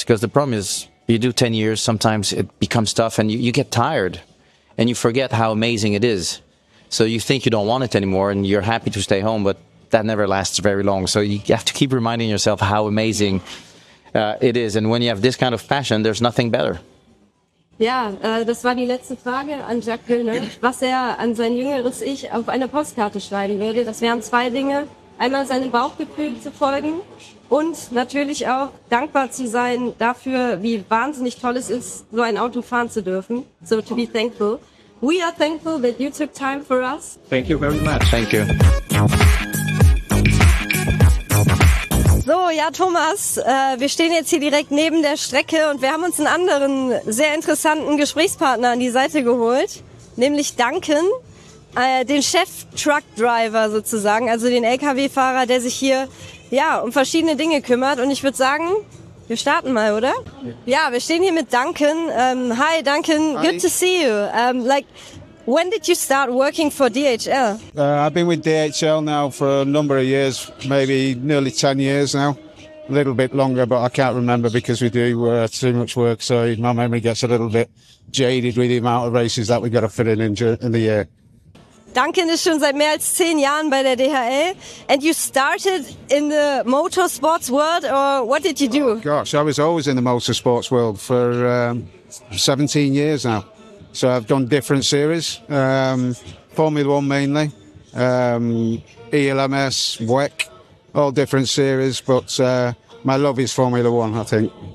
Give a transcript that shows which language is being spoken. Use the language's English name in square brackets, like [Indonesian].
[English] Because the problem is, you do 10 years, sometimes it becomes tough, and you get tired, and you forget how amazing it is. So you think you don't want it anymore and you're happy to stay home, but that never lasts very long. So you have to keep reminding yourself how amazing it is. And when you have this kind of passion, there's nothing better. [German] Ja, das war die letzte Frage an Jacques Villeneuve, was er an sein jüngeres Ich auf einer Postkarte schreiben würde. Das wären zwei Dinge. Einmal seinem Bauchgefühl zu folgen und natürlich auch dankbar zu sein dafür, wie wahnsinnig toll es ist, so ein Auto fahren zu dürfen. [English] So to be thankful. We are thankful that you took time for us. Thank you very much. Thank you. [German] So, ja, Thomas, wir stehen jetzt hier direkt neben der Strecke und wir haben uns einen anderen sehr interessanten Gesprächspartner an die Seite geholt, nämlich Duncan, den Chef-Truck-Driver sozusagen, also den LKW-Fahrer, der sich hier um verschiedene Dinge kümmert. Und ich würde sagen, wir starten mal, oder? Ja, wir stehen hier mit Duncan. Hi, Duncan. Hi. [English] Good to see you. When did you start working for DHL? I've been with DHL now for a number of years, maybe nearly 10 years now. A little bit longer, but I can't remember because we do too much work, so my memory gets a little bit jaded with the amount of races that we got to fit in the year. [German] Duncan ist schon seit mehr als 10 Jahren bei der DHL. [English] And you started in the motorsports world, or what did you do? Oh, gosh, I was always in the motorsports world for 17 years now. So I've done different series, Formula One mainly, ELMS, WEC, all different series, but my love is Formula One, I think.